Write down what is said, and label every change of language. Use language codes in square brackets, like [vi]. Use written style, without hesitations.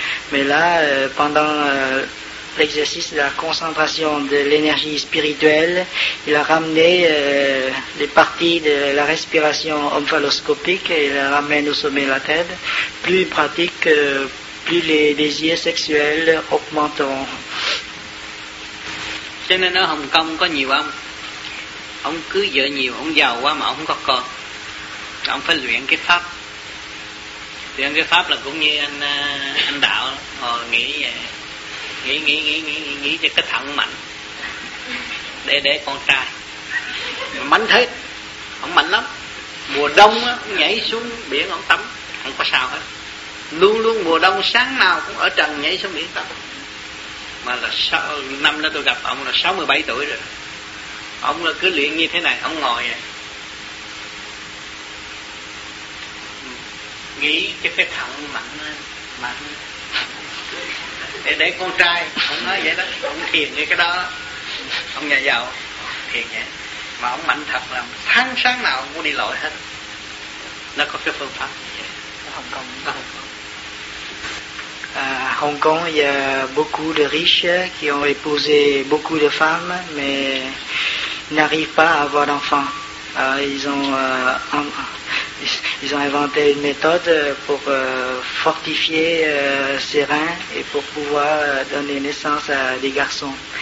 [fr] Mais là, pendant l'exercice de la concentration de l'énergie spirituelle, il a ramené les parties de la respiration omphaloscopique et il la ramène au sommet de la tête. Plus il pratique, plus les désirs sexuels augmenteront. [vi] Cho nên ở Hồng Kông có nhiều ông. Ông cưới vợ nhiều, ông giàu quá mà ông không có con. Ông phải luyện cái pháp. Luyện cái pháp là cũng như anh Đạo ngồi nghĩ vậy. Nghĩ cho cái thận mạnh. Để con trai. Mà mạnh thế. Ông mạnh lắm. Mùa đông á, ông nhảy xuống biển ông tắm. Không có sao hết. Luôn luôn mùa đông sáng nào cũng ở trần nhảy xuống biển tắm. Mà là năm đó tôi gặp ông là 67 tuổi rồi. Ông là cứ luyện như thế này, ông ngồi vậy. Nghĩ cái thận mạnh. Để con trai, ông nói vậy đó, ông thiền như cái đó. Ông nhà giàu, thiền vậy. Mà ông mạnh thật là tháng sáng nào ông cũng đi lội hết. Nó có cái phương pháp gì vậy? Hồng Kông. [fr] À Hong Kong, il y a beaucoup de riches qui ont épousé beaucoup de femmes, mais n'arrivent pas à avoir d'enfants. Ils ont inventé une méthode pour fortifier ses reins et pour pouvoir donner naissance à des garçons.